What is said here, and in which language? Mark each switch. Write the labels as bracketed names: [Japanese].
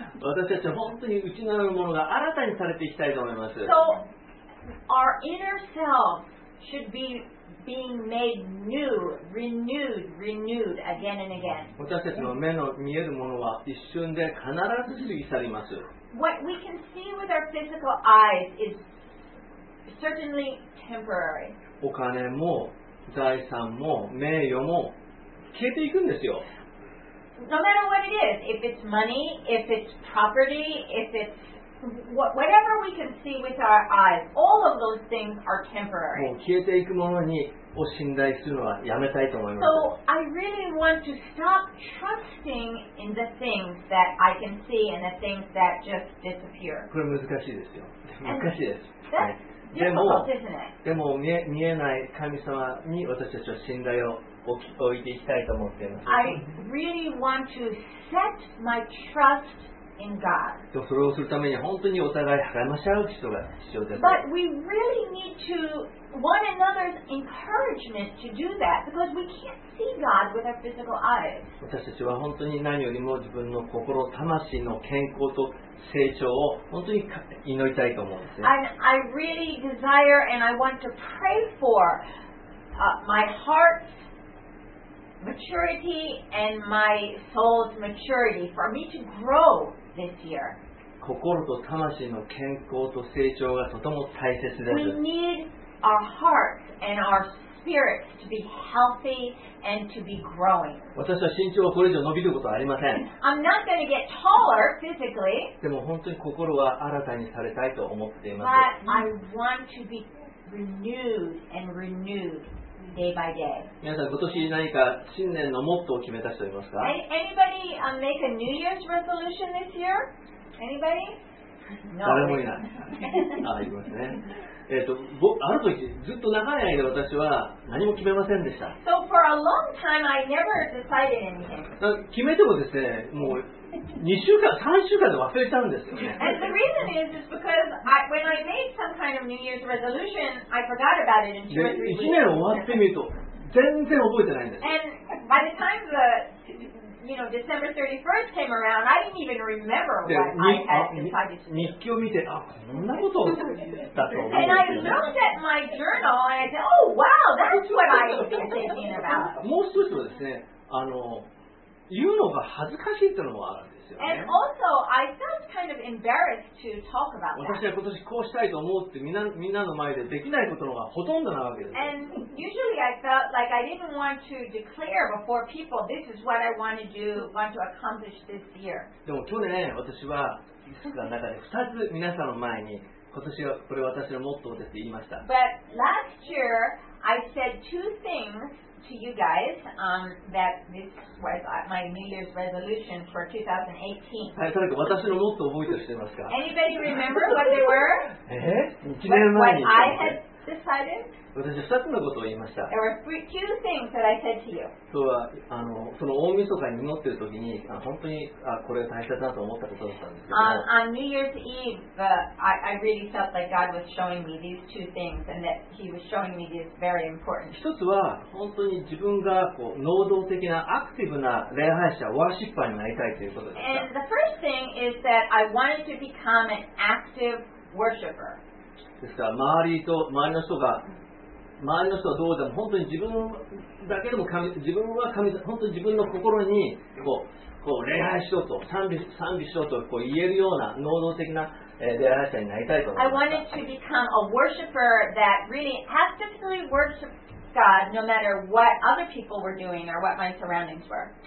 [Japanese] 私たちは本当に内なるものが新たにされていきたいと思います。 [English] So, our inner self should be being made new, renewed, renewed again and again. [Japanese] 私たちの目の見えるものは一瞬で必ず過ぎ去ります。 [English] What we can see with our physical eyes is certainly temporary. [Japanese] お金も財産も名誉も消えていくんですよ。 [English] No matter what it is, if it's money, if it's property, if it's whatever we can see with our eyes, all of those things are temporary. [Japanese] もう消えていくものにを信頼するのはやめたいと思います。 [English] So I really want to stop trusting in the things that I can see and the things that just disappear. [Japanese] これ難しいですよ。難しいです。でも見えない神様に私たちは信頼を置いていきたいと思っています。 [English] I really want to set my trust in God. [Japanese] それをするために本当にお互い励まし合う人が必要です。 [English] But we really need to one another's encouragement to do that because we can't see God with our physical eyes. [Japanese] 私たちは本当に何よりも自分の心、魂の健康と成長を本当に祈りたいと思うんですね。 [English] I really desire and I want to pray for my heart's maturity and my soul's maturity for me to grow this year. [Japanese] 心と魂の健康と成長がとても大切です。 [English] We need our hearts and our spirits to be healthy and to be growing. [Japanese] 私は身長はこれ以上伸びることはありません。 [English] I'm not going to get taller physically. [Japanese] でも本当に心は新たにされたいと思っています。 [English] But I want to be renewed and renewed. Day by day. [Japanese] 皆さん今年何か新年のモットーを決めた人いますか [English] Anybody make a New Year's resolution this year? Anybody? No. [Japanese] 誰もいない。あ、いますね。ある時ずっと長い間私は何も決めませんでした。 [English] So for a long time I never decided anything. [Japanese] 決めてもですね、もう2週間、3週間で忘れちゃうんですよね。 [English] And the reason is because I, when I made some kind of New Year's resolution, I forgot about it in 2 or 3 weeks. [Japanese] 1年終わってみると全然覚えてないんです。 [English] And by the time the, you know, December 31st came around, I didn't even remember what I had decided to do. [Japanese] 日記を見て、あ、こんなことだったと思うんですよ。 [English] And I looked at my journal and I said, oh, wow, that's what I've been thinking about. [Japanese] もう一つはですね、言うのが恥ずかしいというのもあるんですよね。 [English] And also, I felt kind of embarrassed to talk about that. [Japanese] 私は今年こうしたいと思うってみんなの前でできないことのがほとんどなわけです。 [English] And usually I felt like I didn't want to declare before people this is what I want to do, want to accomplish this year. [Japanese] でも去年私は5つの中で2つ皆さんの前に今年はこれ私のモットーですって言いました。 [English] But last year, I said two things. To you guys, that this was my New Year's resolution for 2018. Anybody remember what they were? [Japanese] え、1年前に。 [English] What I had decided. decided? [Japanese] 私は2つのことを言いました。 [English] There were three, two things that I said to you. [Japanese] 今日はその大晦日に祈っている時に本当にこれが大切だと思ったことだったんですけど。 [English] On New Year's Eve, I really felt like God was showing me these two things and that He was showing me these very important. [Japanese] 一つは本当に自分がこう能動的なアクティブな礼拝者、ワーシッパーになりたいということでした。 [English] And the first thing is that I wanted to become an active worshiper. [Japanese] ですから周りの人が周りの人はどうでも本当に自分だけでも神自分は神本当に自分の心にこう礼拝しようと賛美しようとこう言えるような能動的な礼拝者になりたいと思いました。 [English] I wanted to become a worshiper that really actively worshiped God no matter what other people were doing or what my surroundings were.